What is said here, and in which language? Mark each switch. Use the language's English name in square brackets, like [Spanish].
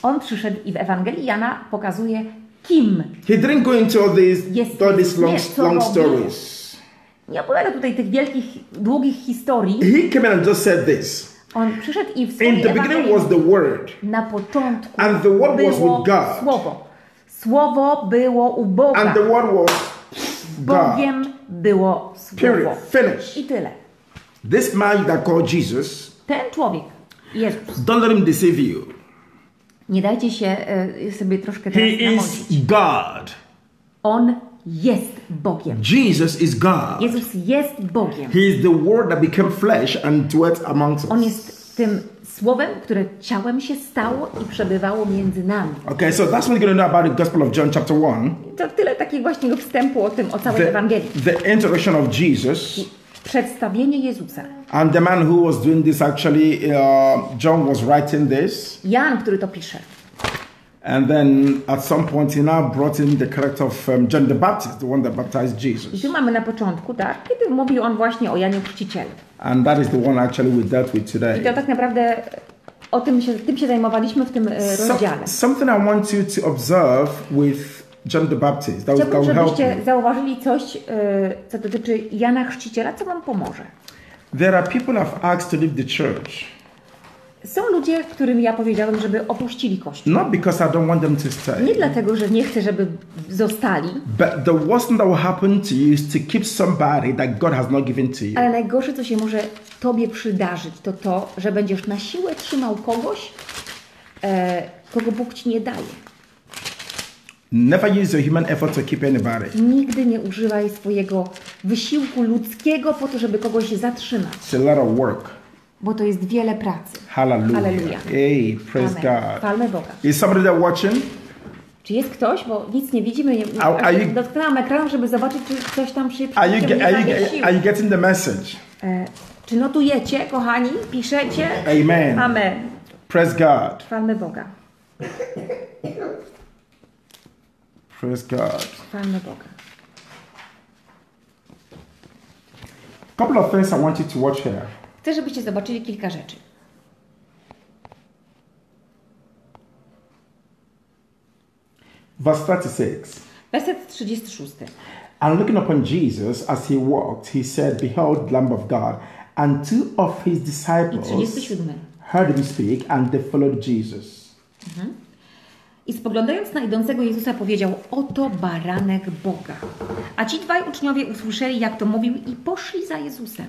[Polish] On przyszedł i w Ewangelii Jana pokazuje, kim. [English] He didn't go into all these long stories. [Polish] Nie opowiada tutaj tych wielkich, długich historii. [English] He came in and just said this. [Polish] On przyszedł i w swojej Ewangelii. [English] In the beginning was the word. [Polish] Na początku. [English] And the word was with God. [Polish] Słowo. Słowo było u Boga. [English] And the word was God. [Polish] Bogiem było słowo. [English] Period. Finish. [Polish] I tyle. [English] This man that called Jesus. [Polish] Ten człowiek. Jezus. [English] Don't let him deceive you. [Polish] Nie dajcie się sobie troszkę teraz namodzić. [English] He is God. [Polish] On jest Bogiem. [English] Jesus is God. [Polish] Jezus jest Bogiem. [English] He is the word that became flesh and dwelt amongst us. [Polish] On jest tym słowem, które ciałem się stało i przebywało między nami. [English] Okay, so that's what we're going to know about the Gospel of John chapter 1. [Polish] To tyle takiego właśnie wstępu o tym, o całej Ewangelii. [English] The introduction of Jesus. [Polish] Przedstawienie Jezusa. [English] And the man who was doing this actually, John was writing this. [Polish] Jan, który to pisze. [English] And then at some point he now brought in the character of John the Baptist, the one that baptized Jesus. [Polish] I tu mamy na początku, tak? Kiedy mówił on właśnie o Janie Chrzcicielu. [English] And that is the one actually we dealt with today. [Polish] I to tak naprawdę o tym się zajmowaliśmy w tym rozdziale. [English] So, something I want you to observe with John the Baptist. That [Polish] chciałbym, [English] will help [Polish] żebyście zauważyli coś, co dotyczy Jana Chrzciciela, co wam pomoże. [English] There are people who have asked to leave the church. [Polish] Są ludzie, którym ja powiedziałem, żeby opuścili kościół. [English] Not because I don't want them to stay. [Polish] Nie dlatego, że nie chcę, żeby zostali. [English] But the worst thing that will happen to you is to keep somebody that God has not given to you. [Polish] Ale najgorsze, co się może tobie przydarzyć, to, że będziesz na siłę trzymał kogoś, kogo Bóg ci nie daje. [English] Never use your human effort to keep anybody. [Polish] Nigdy nie używaj swojego wysiłku ludzkiego po to, żeby kogoś zatrzymać. [English] It's a lot of work. [Polish] bo to jest wiele pracy. Hallelujah. Hallelujah. [English] Hey, praise Amen. God. [Polish] Chwalmy Boga. [English] Is somebody that watching? [Polish] Czy jest ktoś, bo nic nie widzimy, nie, dotknęłam ekranu, żeby zobaczyć, czy ktoś tam szybko. [English] Are you getting the message? [Polish] Czy notujecie, kochani? Piszecie? Amen. Amen. [English] Praise God. [Polish] Chwalmy Boga. [English] Praise God. [Polish] Chwalmy Boga. [English] Couple of things I want you to watch here. [Polish] Chcę, żebyście zobaczyli kilka rzeczy. [English] Verse 36. [Polish] Werset 36. [English] And looking upon Jesus as he walked, he said, Behold, Lamb of God. And two of his disciples heard him speak, and they followed Jesus. [Polish] I spoglądając na idącego Jezusa, powiedział, Oto baranek Boga. A ci dwaj uczniowie usłyszeli, jak to mówił, i poszli za Jezusem.